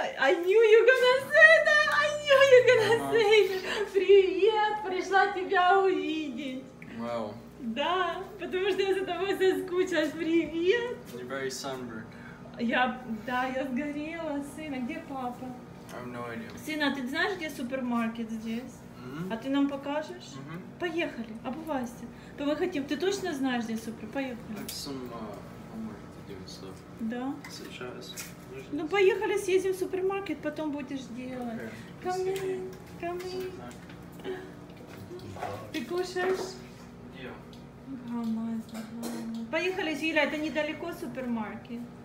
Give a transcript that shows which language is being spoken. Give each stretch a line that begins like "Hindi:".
English: I knew you're gonna say that. I knew you're gonna say it.
Russian: Привет, пришла тебя увидеть.
English: Wow.
Russian: Да, потому что я за тобой соскучилась. Привет.
English: You're very sunburned.
Russian: Я сгорела, сына. Где папа?
English: I have no idea.
Russian: Сына, ты знаешь, где супермаркет здесь? Mm-hmm. А ты нам покажешь? Mm-hmm. Поехали, обувайся. То мы хотим. Ты точно знаешь, где супермаркет? Поехали.
English: I have some homework to do, so...
Russian: Да? Сейчас. Ну, поехали, съездим в супермаркет, потом будешь делать.
English: Okay. Come in, come in.
Russian: Ты кушаешь?
English: Yeah.
Russian: Гамазно, поехали, Юля, это недалеко супермаркет.